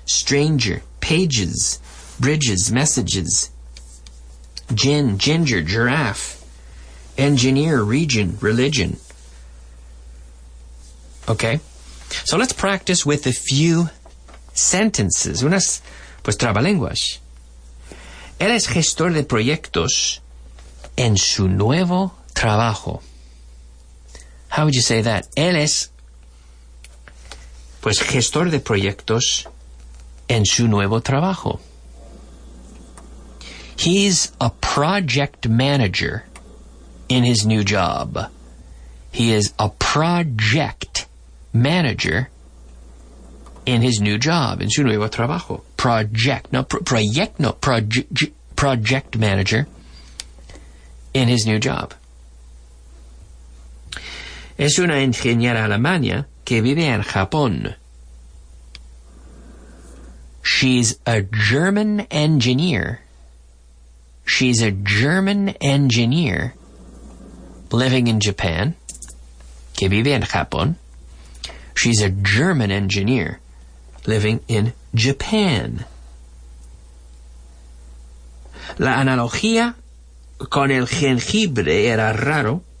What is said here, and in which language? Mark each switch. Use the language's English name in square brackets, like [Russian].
[English] Stranger, pages, bridges, messages. Gin, ginger, giraffe. Engineer, region, religion. Okay, so let's practice with a few sentences. [Spanish] Unas, pues, trabalenguas. Él es gestor de proyectos en su nuevo trabajo. [English] How would you say that? [Spanish] Él es, pues, gestor de proyectos en su nuevo trabajo. [English] He's a project manager in his new job. He is a project manager in his new job. [Spanish] En su nuevo trabajo. [English] Project. Project manager in his new job. [Spanish] Es una ingeniera alemana que vive en Japón. [English] She's a German engineer. She's a German engineer living in Japan. [Spanish] Que vive en Japón. [English] She's a German engineer living in Japan. [Spanish] La analogía con el jengibre era raro.